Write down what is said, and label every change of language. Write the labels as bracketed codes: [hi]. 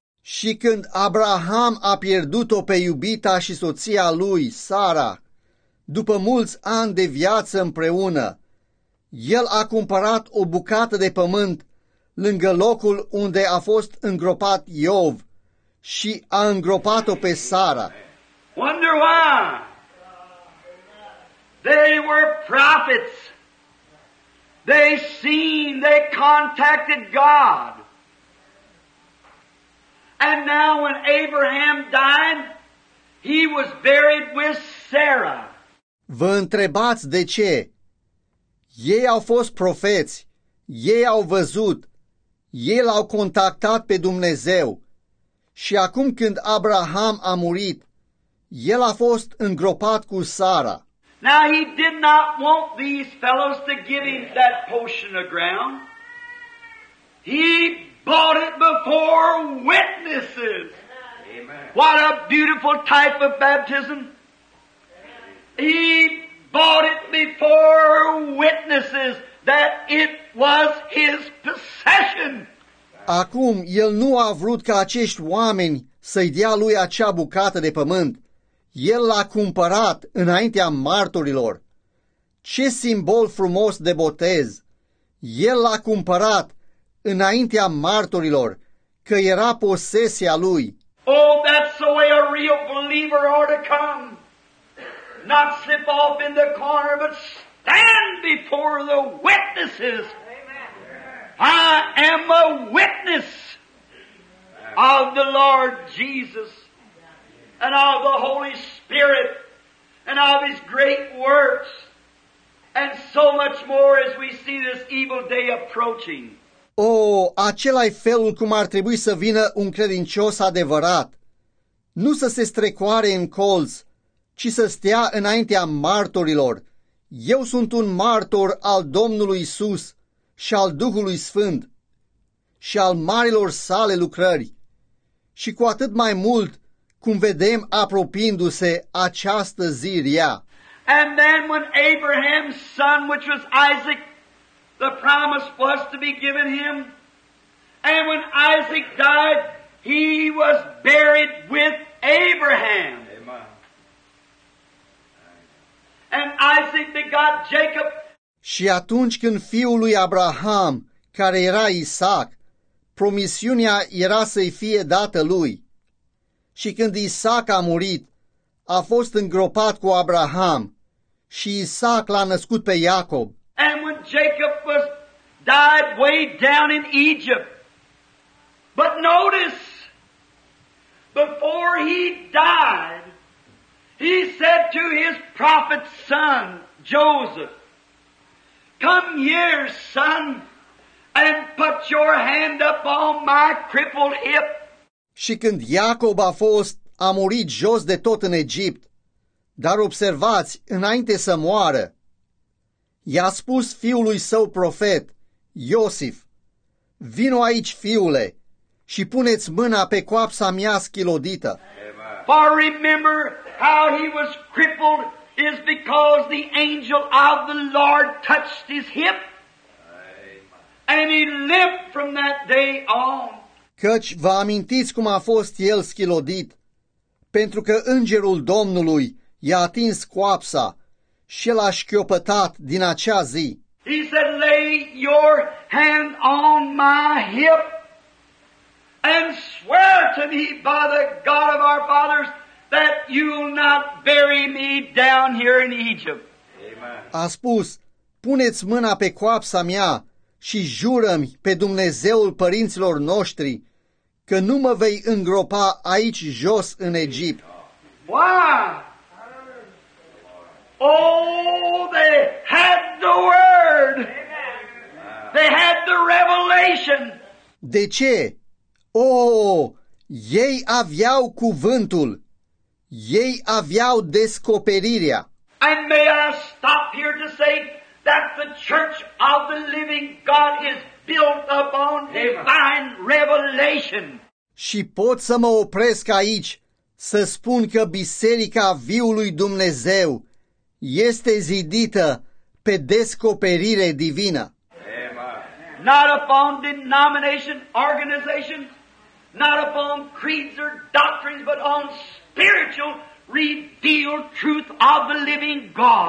[ro] Și când Abraham a pierdut-o pe iubita și soția lui, Sara, după mulți ani de viață împreună, el a cumpărat o bucată de pământ lângă locul unde a fost îngropat Iov. Și a îngropat-o pe Sara. [en] Wonder why? They were prophets. They seen, they contacted God. And now when Abraham died, he was buried with Sarah. [ro] Vă întrebați de ce? Ei au fost profeți. Ei au văzut. Ei l-au contactat pe Dumnezeu. Și acum când Abraham a murit, el a fost îngropat cu Sara. [en] Now he did not want these fellows to give him that portion of ground. He bought it before witnesses. Amen. What a beautiful type of baptism. He bought it before witnesses that it was his possession. [ro] Acum, el nu a vrut ca acești oameni să-i dea lui acea bucată de pământ. El l-a cumpărat înaintea martorilor. Ce simbol frumos de botez! El l-a cumpărat înaintea martorilor, că era posesia lui. [en] Oh, that's the way a real believer ought to come. Not slip off in the corner, but stand before the witnesses. I am a witness of the Lord Jesus and of the Holy Spirit and of His great works and so much more as we see this evil day approaching. [ro] Oh, acela-i felul cum ar trebui să vină un credincios adevărat. Nu să se strecoare în colț, ci să stea înaintea martorilor. Eu sunt un martor al Domnului Iisus și al Duhului Sfânt și al marilor sale lucrări. Și cu atât mai mult, cum vedem apropiindu-se această zi rea. [en] And then when Abraham's son, which was Isaac, the promise was to be given him. And when Isaac died, he was buried with Abraham. Amen. And Isaac begot Jacob. [ro] Și atunci când fiul lui Abraham, care era Isaac, promisiunea era să-i fie dată lui. Și când Isaac a murit, a fost îngropat cu Abraham și Isaac l-a născut pe Iacob. [en] And when Jacob was died way down in Egypt. But notice, before he died, he said to his prophet's son, Joseph, come here, son, and put your hand up on my crippled hip. [ro] Și când Iacob a fost, a murit jos de tot în Egipt. Dar observați, înainte să moară, i-a spus fiului său profet, Iosif, vino aici, fiule, și puneți mâna pe coapsa mea schilodită. [en] For remember how he was crippled is because the angel of the Lord touched his hip. And he lived from that day on. [ro] Căci vă amintiți cum a fost el schilodit, pentru că îngerul Domnului i-a atins coapsa și el a șchiopătat din acea zi. [en] He said, lay your hand on my hip and swear to me by the God of our fathers that you will not bury me down here in Egypt. [ro] A spus, puneți mâna pe coapsa mea și jură-mi pe Dumnezeul părinților noștri că nu mă vei îngropa aici jos în Egipt. [en] Why? Oh, they had the word. They had the revelation. [ro] De ce? Oh, ei aveau cuvântul. Ei aveau descoperirea. [en] And may I stop here to say that the church of the living God is built upon divine revelation. [ro] Și pot să mă opresc aici să spun că biserica viului Dumnezeu este zidită pe descoperire divină. [en] Amen. Not upon denomination, organization, not upon creeds or doctrines, but on spiritual revealed truth of the living God.